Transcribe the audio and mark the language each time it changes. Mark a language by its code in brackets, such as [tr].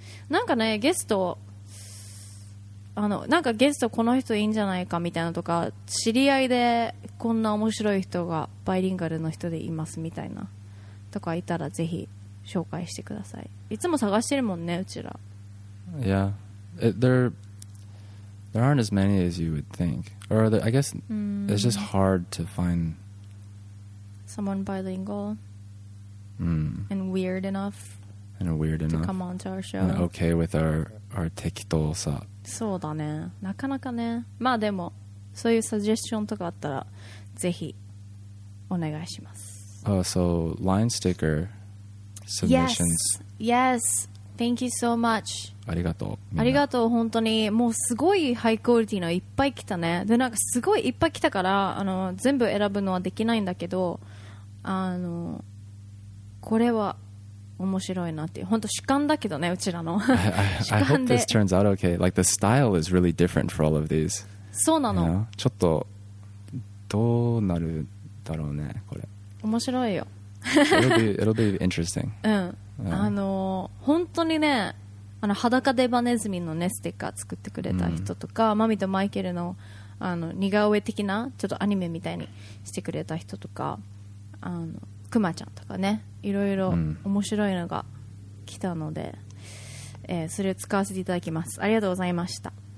[ja] なんかね、ゲスト、あの、なんかゲストこの人いいんじゃないかみたいなとか、知り合いでこんな面白い人がバイリンガルの人でいますみたいなとかいたらぜひ紹介してください。いつも探してるもんね、うちら。 [en] Yeah, there aren't as many as you would think. Or there, I guess it's just hard to find someone bilingual and weird enough to come onto our show and okay with our 適当さ。 [ja] そうだね、なかなかね。まあでもそういうサジェスションとかあったらぜひお願いします。 [en] Oh, so line sticker submissions. Yes, yes, thank you so much. [ja] ありがとう、ありがとう、本当に。もうすごいハイクオリティのいっぱい来たね。で、なんかすごいいっぱい来たから、あの、全部選ぶのはできないんだけど、あの、これは面白いなっていう、本当主観だけどね、うちらの。 [en] I hope this turns out okay. Like the style is really different for all of these. [ja] そうなの。 [en] You know? [ja] ちょっとどうなるだろうね、これ。面白いよ。 [en] It'll be interesting. [ja] うん。あの、本当にね、あの、裸デバネズミのね、ステッカー作ってくれた人とか、マミとマイケルの、あの、似顔絵的なちょっとアニメみたいにしてくれた人とか、あの、クマちゃんとかね、いろいろ面白いのが来たので、それを使わせていただきます。ありがとうございました。